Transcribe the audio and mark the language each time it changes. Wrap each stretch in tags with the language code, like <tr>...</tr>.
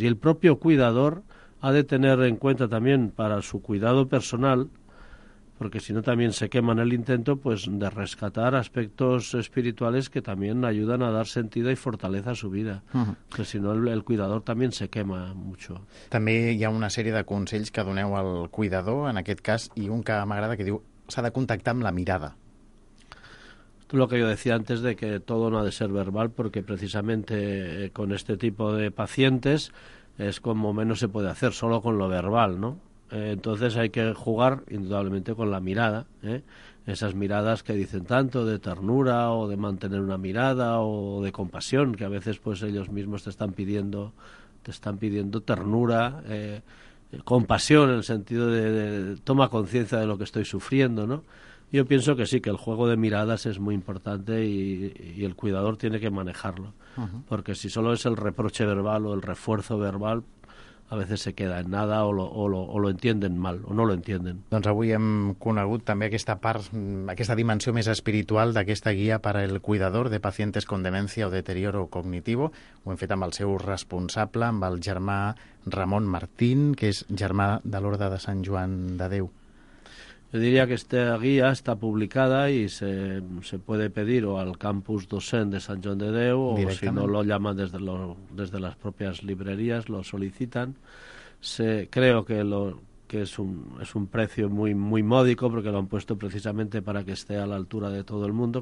<es>Y el propio cuidador ha de tener en cuenta también para su cuidado personal, porque si no también se quema en el intento, pues de rescatar aspectos espirituales que también ayudan a dar sentido y fortaleza a su vida. Uh-huh. Que si no, el cuidador también se quema mucho.</es> <ca>També hi ha una sèrie de consells que doneu al cuidador, en aquest cas, i un que m'agrada, que diu s'ha de contactar amb la mirada.</ca> <es>Lo que yo decía antes, de que todo no ha de ser verbal, porque precisamente con este tipo de pacientes es como menos se puede hacer, solo con lo verbal, ¿no? Entonces hay que jugar, indudablemente, con la mirada, ¿eh? Esas miradas que dicen tanto de ternura o de mantener una mirada o de compasión, que a veces pues ellos mismos te están pidiendo ternura, compasión, en el sentido de toma conciencia de lo que estoy sufriendo, ¿no? Yo pienso que sí, que el juego de miradas es muy importante y el cuidador tiene que manejarlo. Uh-huh. Porque si solo es el reproche verbal o el refuerzo verbal, a veces se queda en nada o lo entienden mal o no lo entienden.</es> <ca>Doncs avui hem conegut també aquesta part, aquesta dimensió més espiritual d'aquesta guia per al cuidador de pacientes con demencia o deterioro cognitivo. Ho hem fet amb el seu responsable, amb el germà Ramon Martín, que és germà de l'Orde de Sant Joan de Déu.</ca> <es>Yo diría que esta guía está publicada y se puede pedir o al campus Docent de Sant Joan de Déu, o si no lo llaman desde las propias librerías, lo solicitan. Creo que es un precio muy muy módico, porque lo han puesto precisamente para que esté a la altura de todo el mundo.</es>